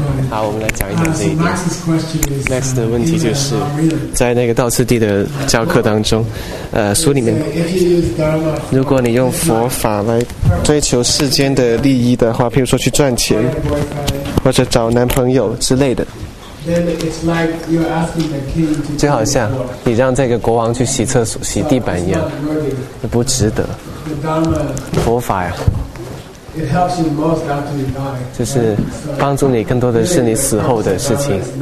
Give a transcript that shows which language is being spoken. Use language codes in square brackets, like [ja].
[zh] 好，我们来讲一讲这一点。Next 的问题就是在那个道次第的教课当中，书里面，如果你用佛法来追求世间的利益的话，譬如说去赚钱或者找男朋友之类的， [en] then it's like you're asking the king to. [zh] 就好像你让这个国王去洗厕所、洗地板一样，不值得。 [en] The Dharma, [zh] 佛法呀。 [en] It helps you most after you die. [zh] 就是帮助你更多的是你死后的事情。